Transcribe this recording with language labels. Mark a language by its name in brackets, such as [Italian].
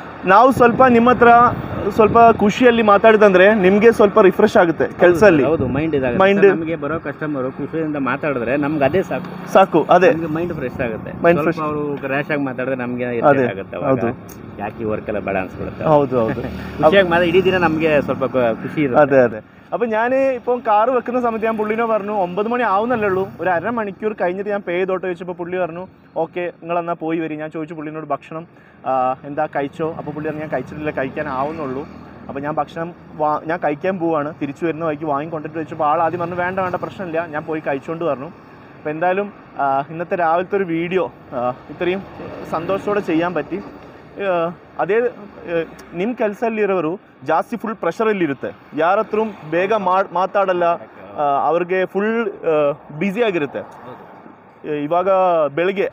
[Kannada] നാവ് സ്വല്പ നിമ്മ ഹത്ര ಸ್ವಲ್ಪ ಖುಷಿಯಲ್ಲಿ ಮಾತಾಡಿದ್ರೆ ನಿಮಗೆ ಸ್ವಲ್ಪ ರಿಫ್ರೆಶ್ ಆಗುತ್ತೆ ಕೆಲಸ ಅಲ್ಲಿ. ಹೌದು, ಮೈಂಡ್ ಇದಾಗ ಮೈಂಡ್ ನಮಗೆ ಬರೋ ಕಸ್ಟಮರು ಖುಷಿಯಿಂದ ಮಾತಾಡಿದ್ರೆ ನಮ್ಗೆ ಅದೇ ಸಾಕು. ಸಾಕು, ಅದೇ ನಮಗೆ ಮೈಂಡ್ ಫ್ರೆಶ್ ಆಗುತ್ತೆ. ಮೈಂಡ್ ಫ್ರೆಶ್ ಅವರು ರ್ಯಾಶ್ ಆಗಿ ಮಾತಾಡಿದ್ರೆ ನಮಗೆ ಇರ್ತೇ ಆಗುತ್ತೆ. ಹೌದು, ಯಾಕೆ ವರ್ಕ್ ಎಲ್ಲ ಬೇಡ ಅನ್ಸ್ಬಿಡುತ್ತೆ. ಹೌದು ಹೌದು, ಖುಷಿಯಾಗಿ ಮಾತಾಡಿ ಇಡೀ ದಿನ ನಮಗೆ ಸ್ವಲ್ಪ ಖುಷಿ ಇರುತ್ತೆ. ಅದೇ ಅದೇ. [Malayalam] അപ്പോൾ ഞാൻ ഇപ്പോൾ കാർ വെക്കുന്ന സമയത്ത് ഞാൻ പുള്ളിനോ പറഞ്ഞു 9 മണി ആവുന്നല്ലേ ഉള്ളൂ, ഒരു അര മണിക്കൂർ കഴിഞ്ഞിട്ട് ഞാൻ പേ ചെയ്തോട്ട് ചോദിച്ചപ്പോൾ പുള്ളി പറഞ്ഞു ഓക്കെ നിങ്ങൾ എന്നാൽ പോയി വരും. ഞാൻ ചോദിച്ചു പുള്ളിനോട് ഭക്ഷണം എന്താ കഴിച്ചോ, അപ്പോൾ പുള്ളി പറഞ്ഞു ഞാൻ കഴിച്ചിട്ടില്ല, കഴിക്കാൻ ആവുന്നുള്ളൂ. അപ്പോൾ ഞാൻ ഭക്ഷണം ഞാൻ കഴിക്കാൻ പോവുകയാണ്, തിരിച്ചു വരുന്ന വഴിക്ക് വാങ്ങിക്കൊണ്ടിട്ട് ചോദിച്ചപ്പോൾ ആൾ ആദ്യം പറഞ്ഞു വേണ്ട വേണ്ട പ്രശ്നമില്ല, ഞാൻ പോയി കഴിച്ചുകൊണ്ട് പറഞ്ഞു. അപ്പോൾ എന്തായാലും ഇന്നത്തെ രാവിലത്തെ ഒരു വീഡിയോ ഇത്രയും സന്തോഷത്തോടെ ചെയ്യാൻ പറ്റി. [Kannada] ಅದೇ ನಿಮ್ಮ ಕೆಲಸದಲ್ಲಿರೋರು ಜಾಸ್ತಿ ಫುಲ್ ಪ್ರೆಷರಲ್ಲಿರುತ್ತೆ, ಯಾರತ್ರ ಬೇಗ ಮಾತಾಡಲ್ಲ, ಅವ್ರಿಗೆ ಫುಲ್ ಬ್ಯುಸಿ ಆಗಿರುತ್ತೆ ಇವಾಗ ಬೆಳಗ್ಗೆ.